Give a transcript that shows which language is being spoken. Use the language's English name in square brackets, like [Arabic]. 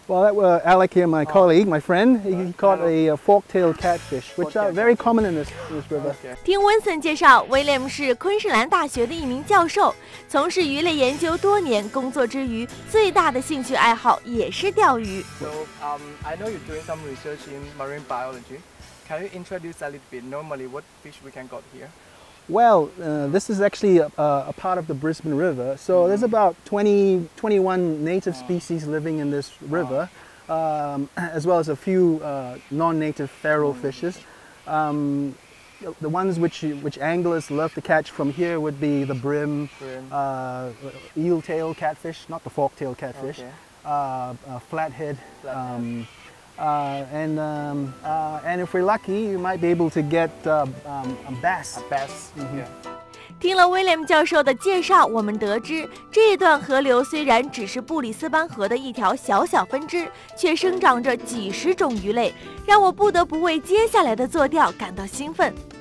[English] Well, that was Alec here, my colleague, my friend. He caught a fork-tailed catfish, which are very common in this river. [Chinese] 听温森介绍，威廉是昆士兰大学的一名教授，从事鱼类研究多年，工作之余最大的兴趣爱好也是钓鱼。 [English] So, I know you're doing some research in marine biology. Can you introduce a little bit? Normally, what fish we can caught here? Well, this is actually a part of the Brisbane River. So there's about 21 native species living in this river, as well as a few non-native feral fishes. The ones which anglers love to catch from here would be the brim, eel-tail catfish, not the fork-tail catfish, flathead. And if we're lucky, you might be able to get a bass. A bass.、Mm-hmm. Yeah. [Chinese] 听了 William 教授的介绍，我们得知这段河流虽然只是布里斯班河的一条小小分支，却生长着几十种鱼类，让我不得不为接下来的坐钓感到兴奋。